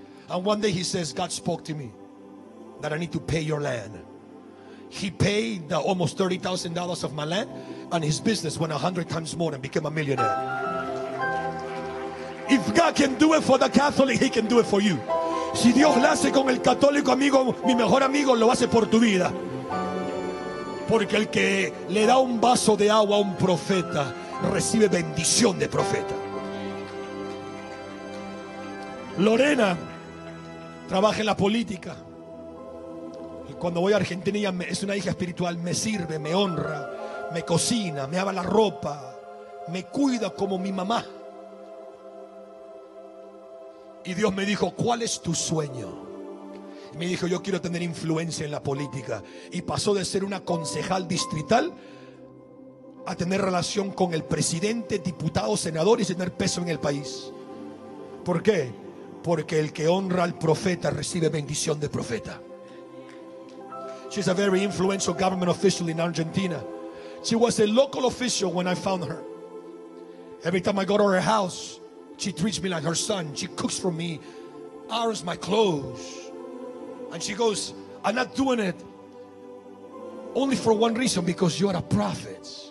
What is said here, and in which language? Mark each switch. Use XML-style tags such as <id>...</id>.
<en>And one day he says, God spoke to me that I need to pay your land. He paid the almost $30,000 of my land, and his business went 100 times more and became a millionaire. If God can do it for the Catholic, he can do it for you.</en> <es>Si Dios lo hace con el católico amigo, mi mejor amigo, lo hace por tu vida. Porque el que le da un vaso de agua a un profeta recibe bendición de profeta. Lorena trabaja en la política. Y cuando voy a Argentina, ella es una hija espiritual, me sirve, me honra, me cocina, me lava la ropa, me cuida como mi mamá. Y Dios me dijo, ¿cuál es tu sueño? Y me dijo, yo quiero tener influencia en la política. Y pasó de ser una concejal distrital a tener relación con el presidente, diputado, senador, y tener peso en el país. ¿Por qué? Porque el que honra al profeta recibe bendición de profeta.</es> <en>She's a very influential government official in Argentina. She was a local official when I found her. Every time I go to her house, she treats me like her son. She cooks for me, irons my clothes. And she goes, I'm not doing it only for one reason, because you are a prophet.</en>